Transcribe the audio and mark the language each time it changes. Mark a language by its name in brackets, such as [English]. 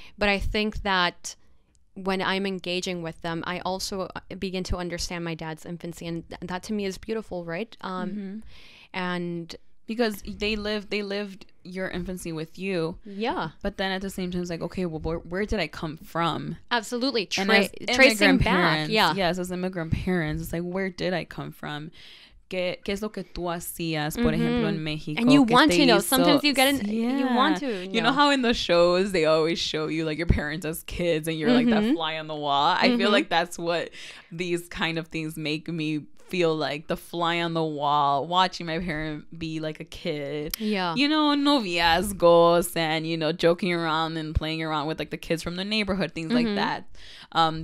[English] But I think that when I'm engaging with them, I also begin to understand my dad's infancy, and that to me is beautiful, right? And because they lived your infancy with you. Yeah. But then at the same time, it's like, okay, well, where did I come from? Absolutely. Tracing back. Yeah. Yes, as immigrant parents, it's like, where did I come from? [Spanish] ¿Qué es lo que tú hacías, por ejemplo, en México? [English] And you want to know. Sometimes you get you want to. You know how in the shows they always show you like your parents as kids and you're like that fly on the wall? I feel like that's what these kind of things make me feel like the fly on the wall watching my parent be like a kid. Yeah. You know, noviazgos and, you know, joking around and playing around with like the kids from the neighborhood, things mm-hmm. like that.